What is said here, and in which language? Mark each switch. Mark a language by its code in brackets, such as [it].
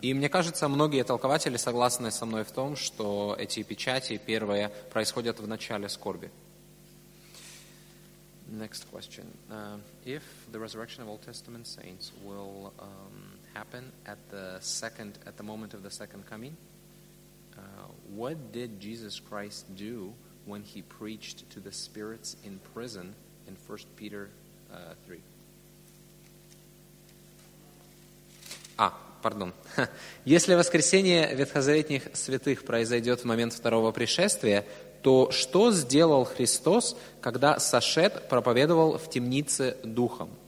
[ru] И мне кажется, многие толкователи согласны со мной в том, что эти печати первые происходят в начале скорби. [en] Next question. If the resurrection of Old Testament saints will happen at the second, at the moment of the second coming, what did Jesus Christ do when he preached to the spirits in prison in 1 Peter 3? [ru] Пардон. Если воскресение ветхозаветных святых произойдет в момент второго пришествия, то что сделал Христос, когда сошед проповедовал в темнице духом?